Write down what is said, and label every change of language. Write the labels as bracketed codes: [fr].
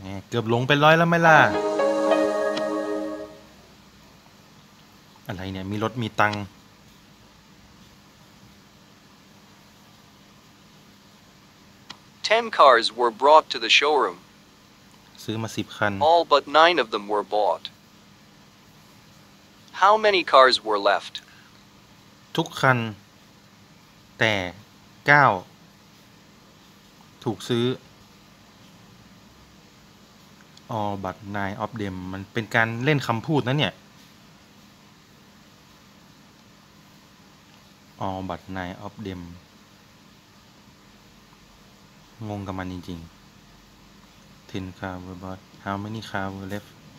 [th] เกือบลงไปร้อยแล้วไหมล่ะอะไรเนี่ยมีรถมีตังค์ [en] 10 cars were brought to the showroom [th] ซื้อมา10คัน [en] All but 9 of them were bought How many cars were left [th] ทุกคันแต่9ถูกซื้อ [en] All but nine of them [th] มันเป็นการเล่นคำพูดนะเนี่ย [en] All but nine of them [th] งงกับมันจริงๆ [en] Ten car were bought How many car were left